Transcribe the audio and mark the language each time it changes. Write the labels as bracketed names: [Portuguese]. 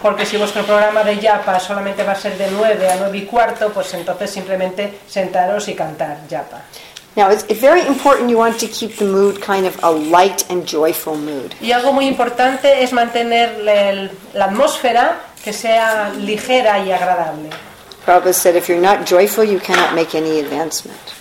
[Spanish] Porque si vuestro programa de japa solamente va a ser de 9 a 9 y cuarto, pues entonces simplemente sentaros y cantar japa. [English] Now it's very important you want to keep the mood kind of a light and joyful mood. [Spanish] Y algo muy importante es mantener la atmósfera que sea ligera y agradable. [English] Prabhupada said if you're not joyful you cannot make any advancement.